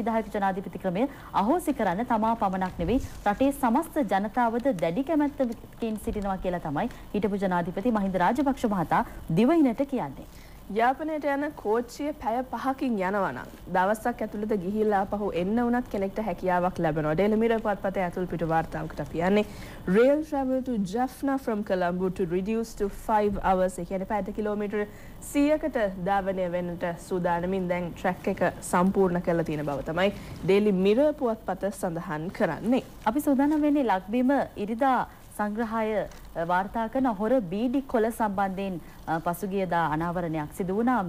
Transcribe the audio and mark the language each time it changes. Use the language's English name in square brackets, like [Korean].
[Sinhala] විධායක ජනාධිපති ක්‍රමය අහෝසි කරන්න තමා පමණක් නෙවෙයි රටේ සමස්ත ජනතාවද දැඩි කැමැත්තකින් සිටිනවා කියලා තමයි හිටපු ජනාධිපති මහින්ද රාජපක්ෂ මහතා දිවයිනට කියන්නේ. යාපනයට යන කෝච්චිය පැය පහකින් යනවනම් දවසක් ඇතුළත ගිහිල්ලා පහු එන්න උනත් කෙනෙක්ට හැකියාවක් ලැබෙනවා. ඩෙලමිර පත්පත ඇතුළු පිට වාර්තාවකට අපි යන්නේ. [English] Rail travel to Jaffna from Colombo to reduce to 5 hours. [Sinhala] ඒ කියන්නේ 5 කිලෝමීටර 100කට ධාවනය වෙන්නට සූදානමින් දැන් ට්‍රැක් එක සම්පූර්ණ කරලා තියෙන බව තමයි ඩෙලමිර පත්පත සඳහන් කරන්නේ. අපි සූදානම් වෙන්නේ ලක්බිම ඉරිදා සංග්‍රහය වාර්තා කරන හොර බීඩි කොළ සම්බන්ධයෙන් පසුගියදා අනාවරණයක් සිදු වුණා.